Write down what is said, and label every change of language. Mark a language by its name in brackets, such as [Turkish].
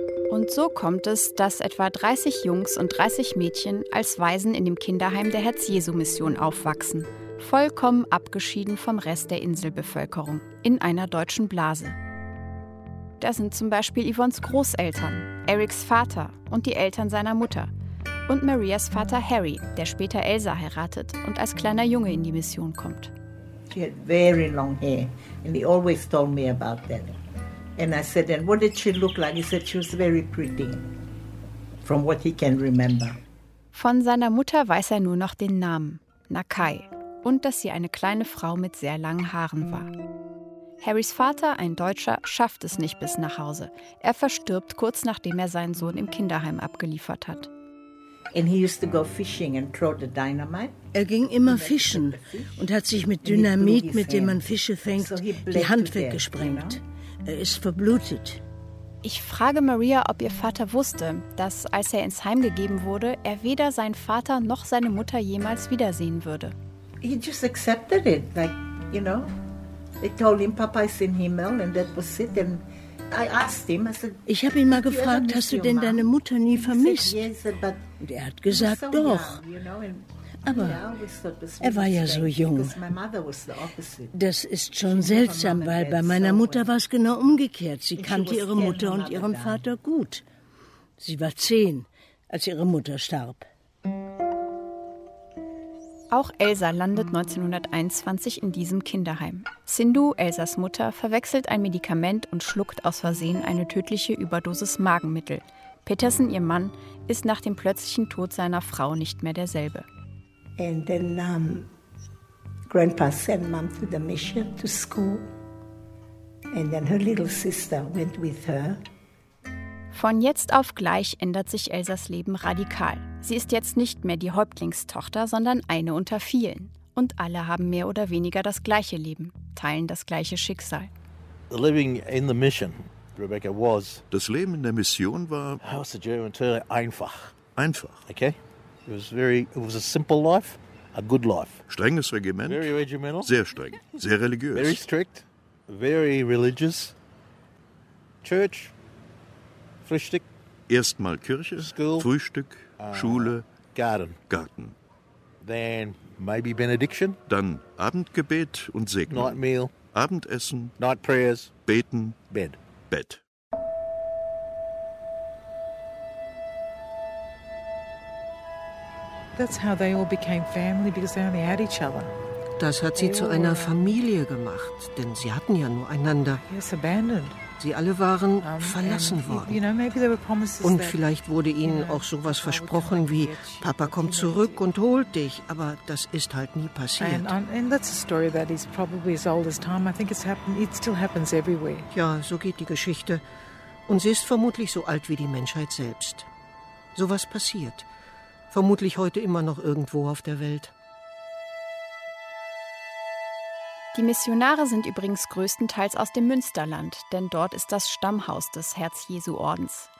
[German] Und so kommt es, dass etwa 30 Jungs und 30 Mädchen als Waisen in dem Kinderheim der Herz-Jesu-Mission aufwachsen, vollkommen abgeschieden vom Rest der Inselbevölkerung, in einer deutschen Blase. Da sind zum Beispiel Yvonnes Großeltern, Erics Vater und die Eltern seiner Mutter und Marias Vater Harry, der später Elsa heiratet und als kleiner Junge in die Mission kommt. [English] She had very long hair and he always told me about that. And I said, and what did she look like? He said, she was very pretty, from what he can remember. [German] Von seiner Mutter weiß er nur noch den Namen, Nakai, und dass sie eine kleine Frau mit sehr langen Haaren war. Harrys Vater, ein Deutscher, schafft es nicht bis nach Hause. Er verstirbt kurz nachdem er seinen Sohn im Kinderheim abgeliefert hat. [English] And he used to go fishing and throw the dynamite. [German] Er ging immer fischen und hat sich mit Dynamit, mit dem man Fische fängt, die Hand weggesprengt. Er ist verblutet. Ich frage Maria, ob ihr Vater wusste, dass, als er ins Heim gegeben wurde, er weder seinen Vater noch seine Mutter jemals wiedersehen würde. [English] He just accepted it, like, you know. They told him, Papa is in Himmel, and that was it. And I asked him, I said, [German] ich habe ihn mal gefragt, hast du denn deine Mutter nie vermisst? [English] He said, yes, but [German] und er hat gesagt, so doch. [English] Young, you know, and [German] aber er war ja so jung. Das ist schon seltsam, weil bei meiner Mutter war es genau umgekehrt. Sie kannte ihre Mutter und ihren Vater gut. Sie war 10, als ihre Mutter starb. Auch Elsa landet 1921 in diesem Kinderheim. Sindhu, Elsas Mutter, verwechselt ein Medikament und schluckt aus Versehen eine tödliche Überdosis Magenmittel. Petersen, ihr Mann, ist nach dem plötzlichen Tod seiner Frau nicht mehr derselbe. [English] And then Grandpa sent Mom to the mission, to school. And then her little sister went with her. [German] Von jetzt auf gleich ändert sich Elsas Leben radikal. Sie ist jetzt nicht mehr die Häuptlingstochter, sondern eine unter vielen. Und alle haben mehr oder weniger das gleiche Leben, teilen das gleiche Schicksal. [English] The living in the mission, Rebecca, was... [German] Das Leben in der Mission war... [English] How was the German term? Einfach. [German] Einfach. [English] Okay. It was a simple life, a good life. [German] Strenges Regiment. [English] Very regimental. [German] Sehr streng. Sehr religiös. [English] Very strict. Very religious. Church. Frühstück. [German] Erstmal Kirche. [English] School. [German] Frühstück. Schule. [English] Garden. [German] Garten. [English] Then maybe benediction. [German] Dann Abendgebet und Segnung. [English] Night meal. [German] Abendessen. [English] Night prayers. [German] Beten. [English] Bed. [German] Bett. [English] That's how they all became family, because they only had each other. [German] Das hat sie zu einer Familie gemacht, denn sie hatten ja nur einander. [English] Yes, abandoned. [German] Sie alle waren verlassen worden. [English] You know, maybe there were promises. [German] Und vielleicht wurde ihnen auch sowas versprochen wie, Papa kommt zurück und holt dich, aber das ist halt nie passiert. [English] And that's a story that is probably as old as time. I think it's happened, it still happens everywhere. [German] Ja, so geht die Geschichte. Und sie ist vermutlich so alt wie die Menschheit selbst. Sowas passiert. Vermutlich heute immer noch irgendwo auf der Welt. Die Missionare sind übrigens größtenteils aus dem Münsterland, denn dort ist das Stammhaus des Herz-Jesu-Ordens.